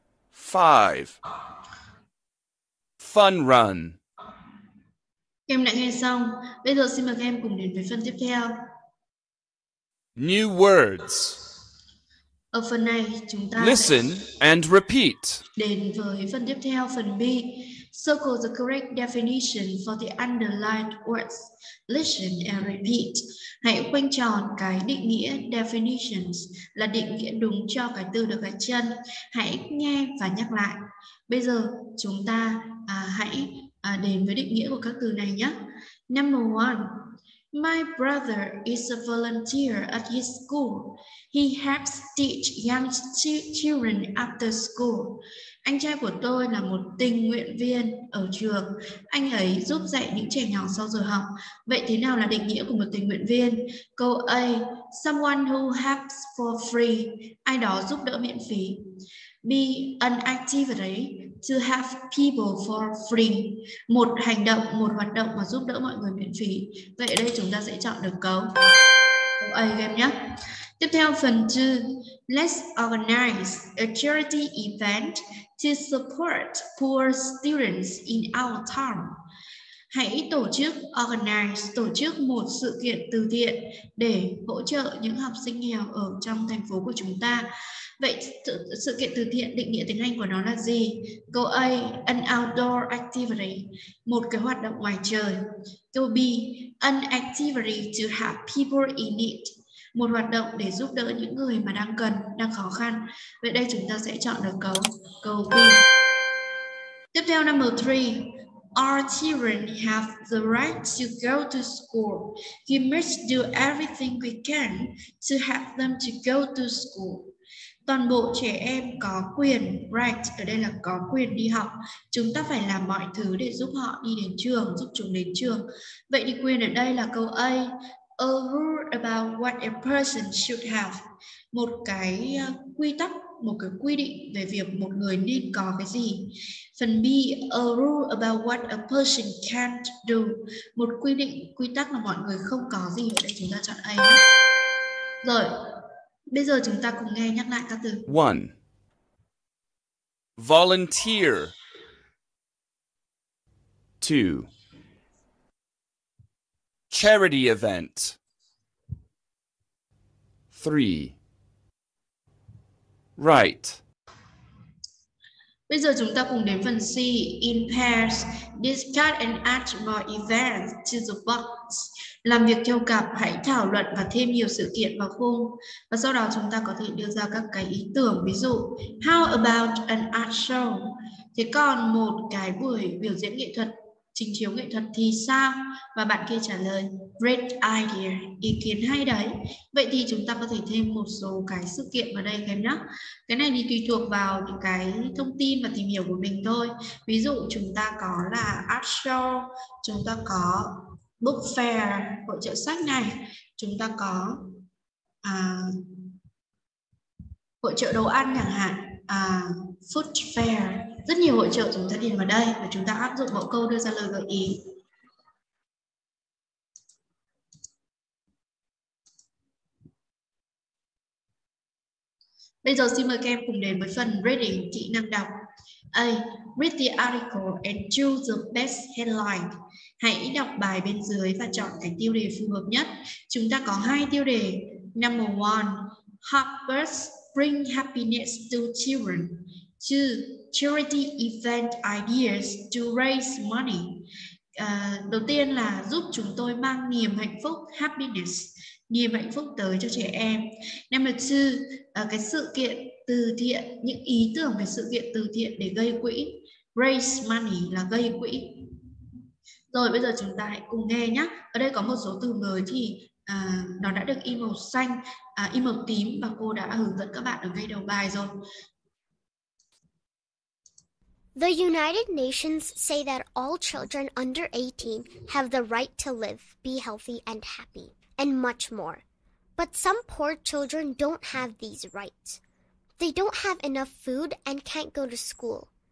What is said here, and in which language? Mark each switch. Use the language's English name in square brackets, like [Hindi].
[English] 5. Fun run. [Vietnamese] Em đã nghe xong. Bây giờ xin mời các em cùng đến với phần tiếp theo. [English] New words. [Vietnamese] Ở phần này chúng ta [English] listen and repeat. [Vietnamese] Đến với phần tiếp theo, phần B. [English] Circle the correct definition for the underlined words. Listen and repeat. [Vietnamese] Hãy quanh tròn cái định nghĩa definitions là định nghĩa đúng cho cái từ được gạch chân. Hãy nghe và nhắc lại. Bây giờ chúng ta hãy đến với định nghĩa của các từ này nhé. [English] Number one, my brother is a volunteer at his school. He helps teach young children after school. [Vietnamese] Anh trai của tôi là một tình nguyện viên ở trường. Anh ấy giúp dạy những trẻ nhỏ sau giờ học. Vậy thế nào là định nghĩa của một tình nguyện viên? Câu A, [English] someone who helps for free. [Vietnamese] Ai đó giúp đỡ miễn phí. [English] B, an activity to have people for free. [Vietnamese] Một hành động, một hoạt động mà giúp đỡ mọi người miễn phí. Vậy ở đây chúng ta sẽ chọn được câu A game nhé. Tiếp theo phần 2, [English] let's organize a charity event to support poor students in our town. [Vietnamese] Hãy tổ chức, organize, tổ chức một sự kiện từ thiện để hỗ trợ những học sinh nghèo ở trong thành phố của chúng ta. Vậy sự kiện từ thiện, định nghĩa tiếng Anh của nó là gì? Câu A, [English] an outdoor activity, [Vietnamese] một cái hoạt động ngoài trời. Câu B, [English] an activity to help people in need, [Vietnamese] một hoạt động để giúp đỡ những người mà đang cần, đang khó khăn. Vậy đây chúng ta sẽ chọn được câu B. Tiếp theo [English] number 3, Our children have the right to go to school. We must do everything we can to help them to go to school. [Vietnamese] Toàn bộ trẻ em có quyền, right, ở đây là có quyền đi học. Chúng ta phải làm mọi thứ để giúp họ đi đến trường, giúp chúng đến trường. Vậy thì quyền ở đây là câu A. [English] A rule about what a person should have. [Vietnamese] Một cái quy tắc, một cái quy định về việc một người nên có cái gì. Phần B, [English] a rule about what a person can't do. [Vietnamese] Một quy định, quy tắc mà mọi người không có gì. Vậy chúng ta chọn A. Rồi, bây giờ chúng ta cùng nghe nhắc lại các từ. 1. [English] Volunteer. 2. Charity event. 3. Right. [Vietnamese] Bây giờ chúng ta cùng đến phần C. [English] In pairs, discuss and add more events to the box. [Vietnamese] Làm việc theo cặp, hãy thảo luận và thêm nhiều sự kiện vào khung. Và sau đó chúng ta có thể đưa ra các cái ý tưởng. Ví dụ, [English] how about an art show? [Vietnamese] Thế còn một cái buổi biểu diễn nghệ thuật, trình chiếu nghệ thuật thì sao? Và bạn kia trả lời, [English] great idea, [Vietnamese] ý kiến hay đấy. Vậy thì chúng ta có thể thêm một số cái sự kiện vào đây em nhé. Cái này thì tùy thuộc vào những cái thông tin và tìm hiểu của mình thôi. Ví dụ chúng ta có là art show, chúng ta có book fair, hội chợ sách này, chúng ta có hội chợ đồ ăn chẳng hạn, food fair. Rất nhiều hội chợ chúng ta điền vào đây và chúng ta áp dụng mẫu câu đưa ra lời gợi ý. Bây giờ xin mời các em cùng đến với phần reading, kỹ năng đọc. A. [English] Read the article and choose the best headline. [Vietnamese] Hãy đọc bài bên dưới và chọn cái tiêu đề phù hợp nhất. Chúng ta có hai tiêu đề. [English] Number 1. Harper's bring happiness to children. 2. Charity event ideas to raise money. [Vietnamese] Đầu tiên là giúp chúng tôi mang niềm hạnh phúc, happiness, niềm hạnh phúc tới cho trẻ em. [English] Number 2, [Vietnamese] cái sự kiện từ thiện, những ý tưởng về sự kiện từ thiện để gây quỹ. Raise money là gây quỹ. Rồi bây giờ chúng ta hãy cùng nghe nhé. Ở đây có một số từ mới thì nó đã được in màu xanh, in màu tím và cô đã hướng dẫn các bạn ở ngay đầu bài rồi. [English] The United Nations say that all children under 18 have the right to live, be healthy and happy, and much more. But some poor children don't have these rights. They don't have enough food and can't go to school.